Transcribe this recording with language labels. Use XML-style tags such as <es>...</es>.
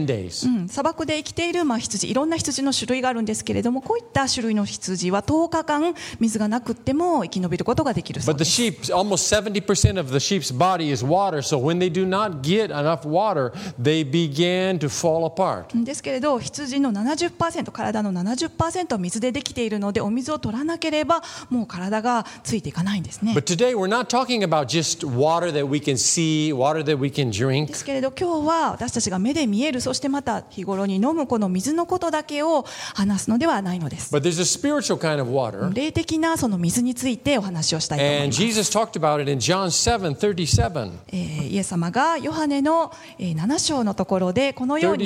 <en>10 days.</en> <ja>砂漠で生きている、まあ、羊、いろんな羊の種類があるんですけれども、こういった種類の羊は10日間水がなくっても生き延びることができるそうです。</ja> <en>But the sheep, almost 70% of the sheep's body is water, so when they do not get enough water, they begin to fall apart.</en> <ja>ですけれど、羊の 70%、体の 70% 水でできているので、お水を取らなければもう体がついていかないんですね。</ja> <en>But today we're not talking about just water that we can see, water that we can drink.</en> <ja>ですけれど、今日は私たちが目で見える、そしてまた日頃に飲むこの水のことだけを話すのではないのです。</ja> <en>But there's a spiritual kind of water.</en> <ja>霊的なその水についてお話をしたいと思います。</ja> <en>And Jesus talked about it in John 7:37.</en> <ja>イエス様がヨハネの7章のところでこのように</ja>